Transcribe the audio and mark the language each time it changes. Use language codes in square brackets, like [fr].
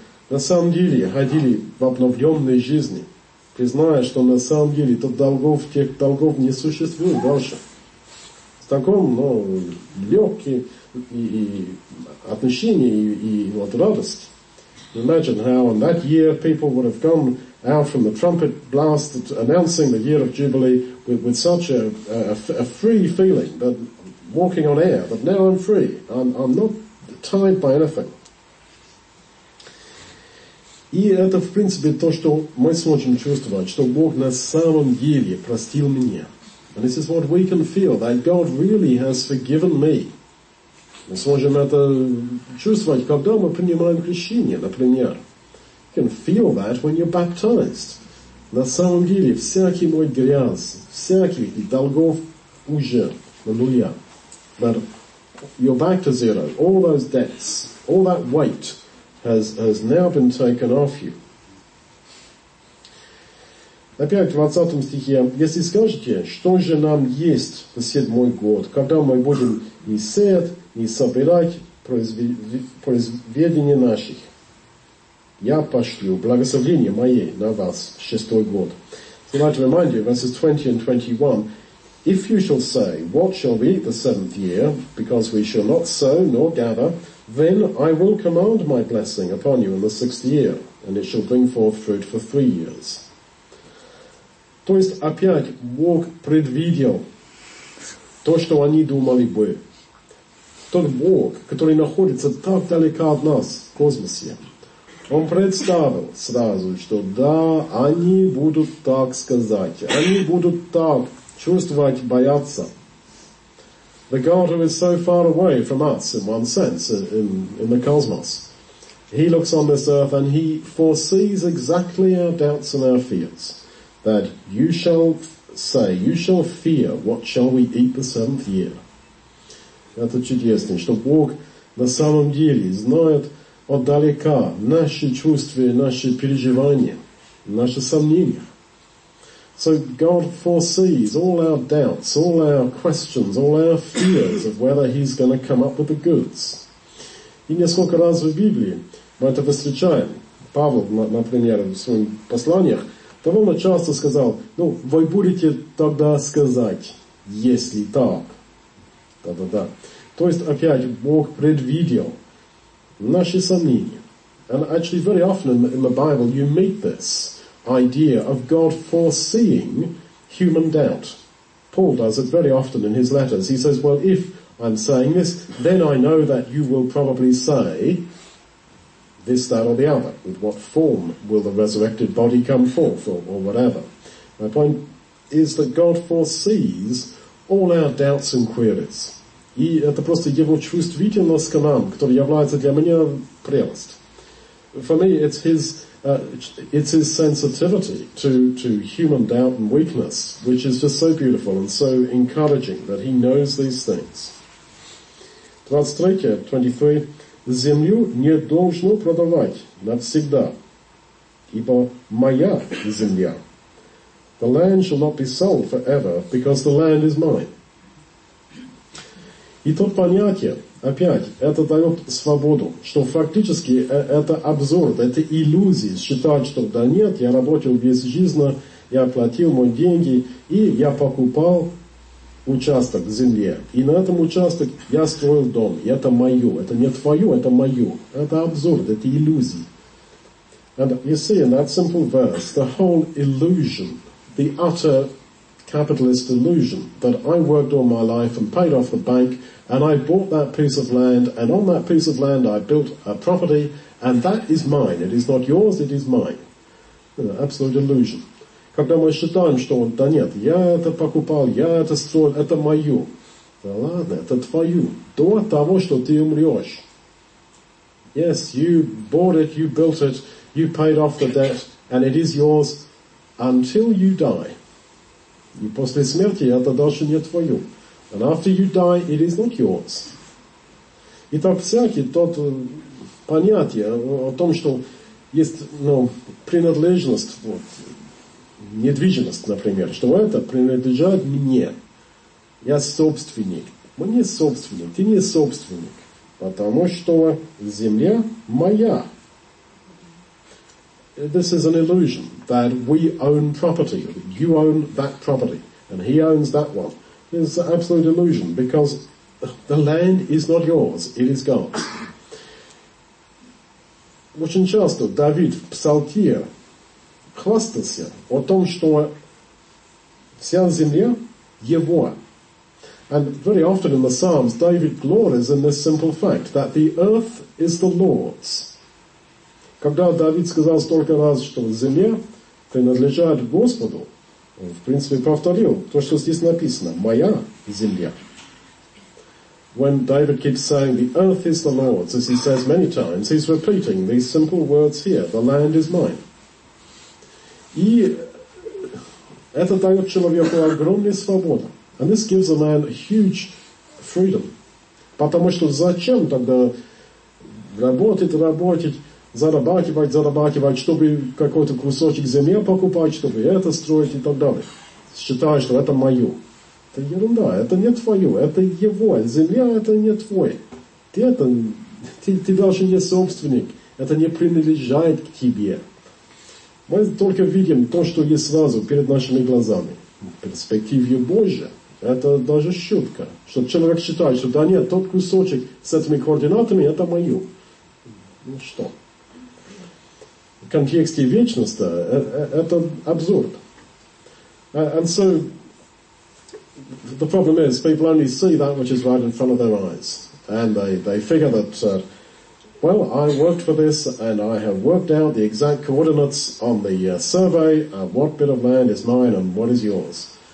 [ru] на самом деле ходили в обновленной жизни, призная, что на самом деле тех долгов не существует больше. В таком, ну, легком и отношении и вот радость. [en] Imagine how in that year people would have gone out from the trumpet blast announcing the year of Jubilee with such a free feeling, but walking on air, but now I'm free. I'm not tied by anything. [ru] И это, в принципе, то, что мы сможем чувствовать, что Бог на самом деле простил меня. [en] And this is what we can feel, that God really has forgiven me. [ru] Мы сможем это чувствовать, когда мы принимаем крещение, например. [en] You can feel that when you're baptized. [ru] На самом деле, всякий мой грязь, всяких долгов уже на нуля. [en] But you're back to zero. All those debts, all that weight has now been taken off you. [ru] Опять в 20 стихе, если скажете, что же нам есть в 7-й год, когда мы будем ни сеять, ни собирать произведения наших, я пошлю благословение мое на вас в 6-й год. [en] So I'd like to remind you, verses 20 and 21, if you shall say, what shall we eat the seventh year, because we shall not sow nor gather, then I will command my blessing upon you in the sixth year, and it shall bring forth fruit for 3 years. [ru] То есть опять Бог предвидел то, что они думали бы. Тот Бог, который находится так далеко от нас, в космосе, Он представил сразу, что да, они будут так сказать, они будут так чувствовать, бояться. [en] The God who is so far away from us, in one sense, in the cosmos, He looks on this earth and He foresees exactly our doubts and our fears. That you shall say, you shall fear, what shall we eat the seventh year? [ru] Это чудесно, что Бог на самом деле знает отдалека наши чувства, наши переживания, наши сомнения. [en] So God foresees all our doubts, all our questions, all our fears of whether He's going to come up with the goods. [ru] И несколько раз в Библии мы это встречаем. Павел, например, в своих посланиях, довольно часто сказал, ну, вы будете тогда сказать, если так. Да-да-да. То есть, опять, Бог предвидел наши сомнения. [en] And actually, very often in the Bible you meet this idea of God foreseeing human doubt. Paul does it very often in his letters. He says, well, if I'm saying this, then I know that you will probably say this, that, or the other. With what form will the resurrected body come forth, or whatever. My point is that God foresees all our doubts and queries. [ru] И это просто его чувствительность к нам, которая является для меня прелесть. [en] For me, it's his sensitivity to human doubt and weakness, which is just so beautiful and so encouraging that he knows these things. [ru] 23, 23. Землю не должно продавать навсегда, ибо моя земля. [en] The land shall not be sold forever, because the land is mine. [ru] И тут понятие, опять, это дает свободу, что фактически это обзор, это иллюзия считать, что да нет, я работал весь жизнь, я платил мои деньги, и я покупал участок в земле. И на этом участке я строил дом, и это мое, это не твое, это мое. Это обзор, это иллюзия. [en] And you see, in that simple verse, the whole illusion, the utter capitalist illusion, that I worked all my life and paid off the bank, and I bought that piece of land, and on that piece of land I built a property, and that is mine. It is not yours, it is mine. An absolute illusion. [ru] Когда мы считаем, что да нет, я это покупал, я это строил, это мое. Да ладно, это твое. До того, что ты умрешь. [en] Yes, you bought it, you built it, you paid off the debt, and it is yours until you die. [ru] И после смерти это дальше не твое. [en] And after you die, it is not yours. [ru] Итак, всякий тот понятие о том, что есть, ну, принадлежность, вот, недвижимость, например, что это принадлежит мне. Я собственник. Мы не собственник, ты не собственник. Потому что земля моя. [en] This is an illusion that we own property, or that you own that property, and he owns that one. It's an absolute illusion, because the land is not yours, it is God's. [ru] Очень часто Давид в псалтире хвастался о том, что вся земля его. [en] And very often in the Psalms, David glories in this simple fact, that the earth is the Lord's. [ru] Когда Давид сказал столько раз, что земля принадлежит Господу, он, в принципе, повторил то, что здесь написано, «Моя земля». [en] When David keeps saying, the earth is the Lord's, as he says many times, he's repeating these simple words here, the land is mine. [ru] И это дает человеку огромную свободу. [en] And this gives a man huge freedom. [ru] Потому что зачем тогда работать, работать, зарабатывать, зарабатывать, чтобы какой-то кусочек земли покупать, чтобы это строить и так далее. Считая, что это мое. Это ерунда, это не твое, это его. Земля это не твой. Ты даже не собственник. Это не принадлежит к тебе. Мы только видим то, что есть сразу перед нашими глазами. Перспективе Божия. Это даже шутка. Что человек считает, что да нет, тот кусочек с этими координатами, это мое. Ну что? В контексте вечности это абсурд. [en] And so, the problem is, people only see that which is right in front of their eyes. And they figure that, well, I worked for this, and I have worked out the exact coordinates on the survey of what bit of land is mine and what is yours.